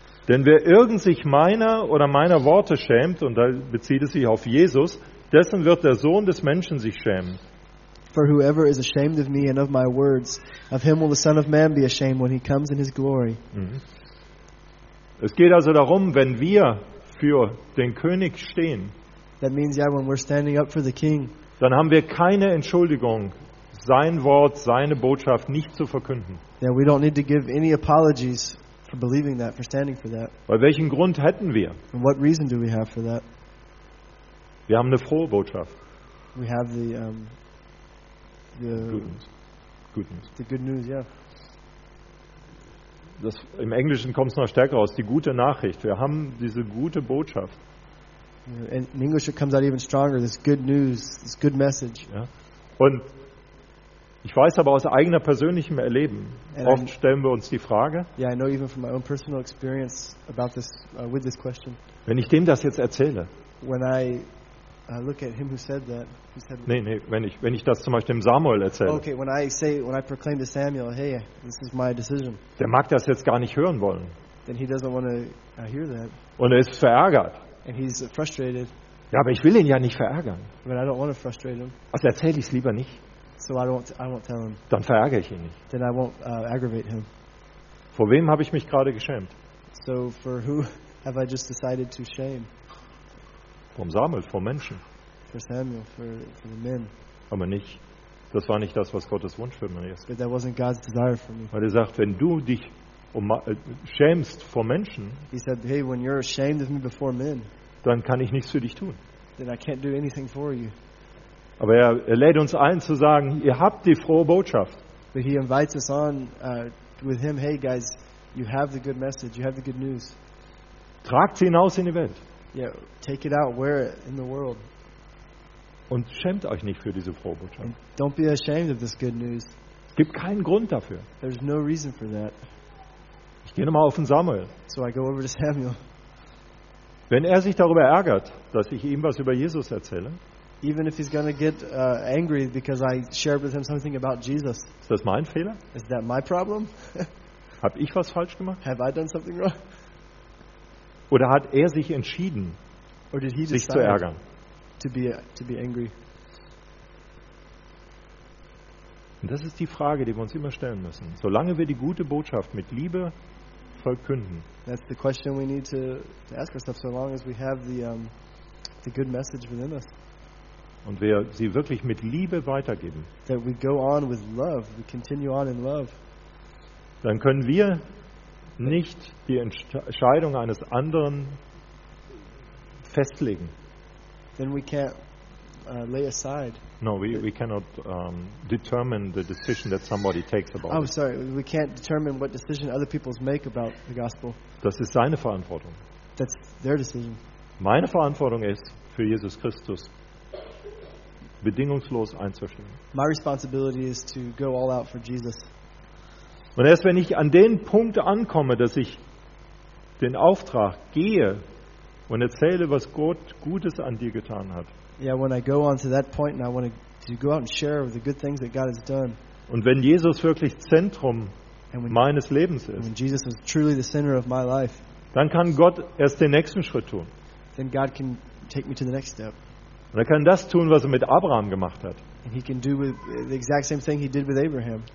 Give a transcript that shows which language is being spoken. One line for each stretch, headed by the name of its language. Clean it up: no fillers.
German: Denn wer irgend sich meiner oder meiner Worte schämt, und da bezieht es sich auf Jesus, dessen wird der Sohn des Menschen sich schämen.
English: For whoever is ashamed of me and of my words, of him will the Son of Man be ashamed when he comes in his glory.
German: Es geht also darum, wenn wir für den König stehen,
English: that means, yeah, when we're standing up for the King,
German: dann haben wir keine Entschuldigung, sein Wort, seine Botschaft nicht zu verkünden.
English: Yeah, we don't need to give any apologies for believing that, for standing for that.
German: Bei welchem Grund hätten wir?
English: And what reason do we have for that?
German: Wir haben eine frohe Botschaft.
English: We have the the good news, yeah.
German: Das, im Englischen kommt es noch stärker raus, die gute Nachricht. Wir haben diese gute Botschaft.
English: In English it comes out even stronger, this good news, this good message.
German: Ja. Und ich weiß aber aus eigener persönlichem Erleben, and oft stellen wir uns die Frage,
English: yeah, I know even from my own personal experience about this, with this question.
German: Wenn ich dem das jetzt erzähle,
English: when I look at him who said that, he said,
German: wenn ich das zum Beispiel dem Samuel erzähle,
English: okay, when I proclaim to Samuel, hey, this is my decision,
German: der mag das jetzt gar nicht hören wollen,
English: then he doesn't want to hear that,
German: und er ist verärgert,
English: and he's frustrated.
German: Ja, aber ich will ihn ja nicht verärgern,
English: but I don't want to frustrate him,
German: also erzähle ich es lieber nicht,
English: so I won't tell him,
German: dann verärgere ich ihn nicht,
English: then I won't aggravate him.
German: Vor wem habe ich mich gerade geschämt?
English: So for who have I just decided to shame?
German: Vom Samuel, vom Menschen.
English: For Samuel, for the men.
German: Aber nicht, das war nicht das, was Gottes Wunsch für mich ist.
English: But that wasn't God's desire for me.
German: Weil er sagt, wenn du dich schämst vor Menschen,
English: he said, hey, when you're ashamed of me before men,
German: dann kann ich nichts für dich tun.
English: Then I can't do anything for you.
German: Aber er lädt uns ein zu sagen, ihr habt die frohe Botschaft.
English: But he invites us on with him, hey guys, you have the good message, you have the good news.
German: Tragt sie hinaus in die Welt.
English: Yeah, take it out, wear it in the world.
German: Und schämt euch nicht für diese frohe Botschaft.
English: And don't be ashamed of this good news.
German: Es gibt keinen Grund dafür.
English: There's no reason for that.
German: Ich gehe nochmal auf den Samuel.
English: So I go over to Samuel.
German: Wenn er sich darüber ärgert, dass ich ihm was über Jesus erzähle,
English: even if he's gonna get angry because I shared with him something about Jesus,
German: ist das mein Fehler?
English: Is that my problem?
German: Hab ich was falsch gemacht?
English: Have I done something wrong?
German: Oder hat er sich entschieden, sich zu ärgern?
English: To be angry.
German: Und das ist die Frage, die wir uns immer stellen müssen. Solange wir die gute Botschaft mit Liebe verkünden,
English: that's the question we need to ask ourselves, so long as we have the good message within us.
German: Und wir sie wirklich mit Liebe weitergeben,
English: that we go on with love, we continue on in love.
German: Dann können wir nicht die Entscheidung eines anderen festlegen.
English: Then we can't lay aside. No, we cannot determine the decision that somebody takes about. Oh, sorry, we can't determine what decision other people make about the gospel.
German: Das ist seine Verantwortung.
English: That's their decision.
German: Meine Verantwortung ist, für Jesus Christus bedingungslos einzustehen.
English: My responsibility is to go all out for Jesus.
German: Und erst wenn ich an den Punkt ankomme, dass ich den Auftrag gehe und erzähle, was Gott Gutes an dir getan hat.
English: Yeah, when I go on to that point and I want to go out and share the good things that God has done.
German: Und wenn Jesus wirklich Zentrum meines Lebens ist.
English: When Jesus is truly the center of my life.
German: Dann kann Gott erst den nächsten Schritt tun.
English: Then God can take me to the next step.
German: Und er kann das tun, was er mit Abraham gemacht hat.
English: And he can do with the exact same thing he did with Abraham.